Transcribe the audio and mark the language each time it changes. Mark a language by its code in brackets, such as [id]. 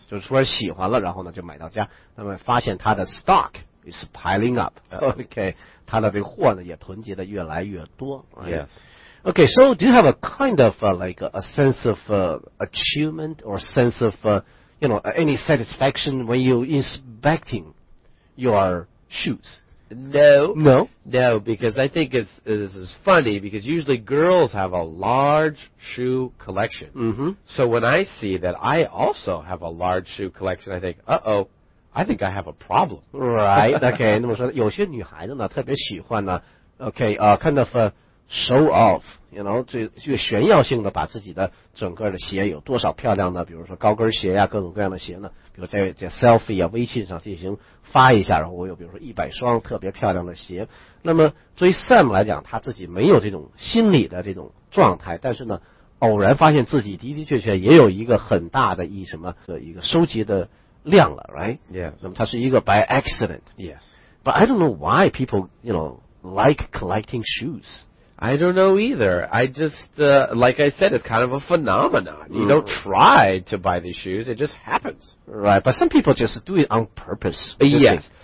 [zh] 就是突然喜欢了，然后呢就买到家，那么发现他的 stock. [en] It's piling up. Okay. [zh] 他的这个货呢也囤积的越来越多。 [en] Yes. Okay, so do you have a kind of like a sense of achievement or sense of, you know, any satisfaction when you're inspecting your shoes? No. No? No, because I think this is funny because usually girls have a large shoe collection. Mm-hmm. So when I see that I also have a large shoe collection, I think, I think I have a problem. [zh] Right. Okay. 那么说有些女孩子呢特别喜欢呢 okay, [en] kind of show off, you know, [zh] 最炫耀性的把自己的整个的鞋有多少漂亮的，比如说高跟鞋呀、各种各样的鞋呢，比如在 selfie 啊微信上进行发一下，然后我有比如说100双特别漂亮的鞋。那么对于 Sam 来讲，他自己没有这种心理的这种状态，但是呢偶然发现自己的的确确也有一个很大的一什么的一个收集的亮了 ，right? [en] Yeah. [zh] 那么它是一个 [en] by accident. Yes. But I don't know why people, you know, like collecting shoes. I don't know either. I just, like I said, it's kind of a phenomenon. You don't try to buy these shoes. It just happens. Right. But some people just do it on purpose. Yes.